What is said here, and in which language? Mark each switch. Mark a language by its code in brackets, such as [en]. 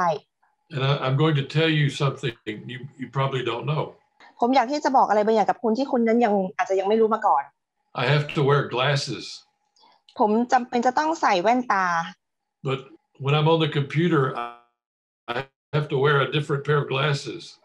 [en] And I'm going to tell you something you probably don't know [th] ผมอยากที่จะบอกอะไรบางอย่างกับคุณที่คุณนั้นอาจจะยังไม่รู้มาก่อน [en] I have to wear glasses [th] ผมจำเป็นจะต้องใส่แว่นตา [en] But when I'm on the computer I have to wear a different pair of glasses